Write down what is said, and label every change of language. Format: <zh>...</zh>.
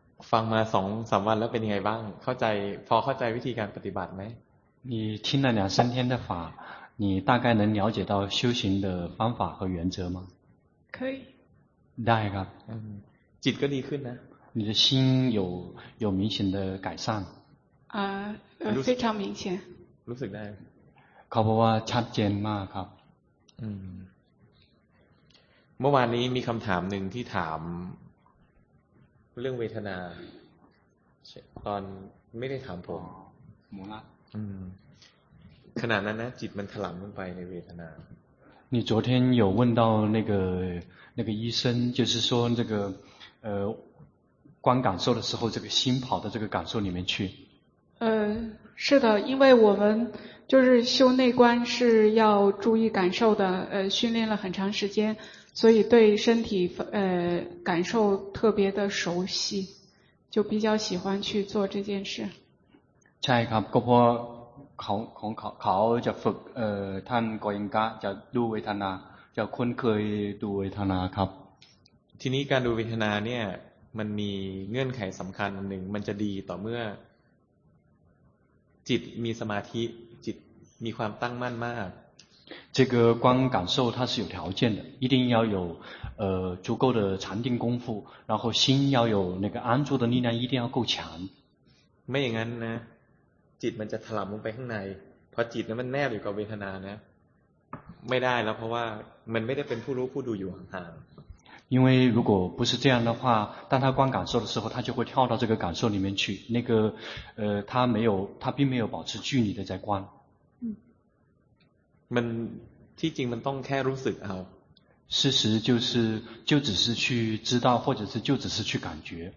<th>ฟังมา2 3วันแล้วเป็นยังไงบ้างเข้าใจพอเข้าใจวิธีการปฏิบัติมั้ย</th> <zh>你听了两三天的法你大概能了解到修行的方法和原则吗可以</zh> <th>ได้ครับ จิตก็ดีขึ้นนะ</th> <zh>你的心有明显的改善啊非常明显</zh> <th>รู้สึกได้เขาบอกว่าชัดเจนมากครับ เมื่อวานนี้มีคำถามหนึ่งที่ถามเรื่องเวทนาตอนไม่ได้ถามผม หมูละ ขณะนั้นนะจิตมันถลำลงไปในเวทนา</th> <zh>你昨天有问到那个医生就是说这个观感受的时候，这个心跑到这个感受里面去。是的，因为我们就是修内观是要注意感受的，训练了很长时间，所以对身体感受特别的熟悉，就比较喜欢去做这件事。</zh> <th>ใช่ครับ ก็เพราะของเขาจะฝึกท่านก็ยังกะจะดูเวทนาจะคุ้นเคยดูเวทนาครับ ทีนี้การดูเวทนาเนี่ยมันมีเงื่อนไขสำคัญหนึ่งมันจะดีต่อเมื่อจิตมีสมาธิจิตมีความตั้งมั่นมาก</th> <zh>这个观感受它是有条件的一定要有足够的禅定功夫然后心要有那个安住的力量一定要够强</zh> <th>ไม่อย่างนั้นนะจิตมันจะถลำลงไปข้างในเพราะจิตนั้นมันแนบอยู่กับเวทนานะไม่ได้แล้วเพราะว่ามันไม่ได้เป็นผู้รู้ผู้ดูอยู่ห่าง</th> <zh>因为如果不是这样的话当他观感受的时候他就会跳到这个感受里面去那个他并没有保持距离的在观</zh> <th>มันที่จริงมันต้องแค่รู้สึกเอา</th> <zh>事实就只是去知道或者是就只是去感觉</zh>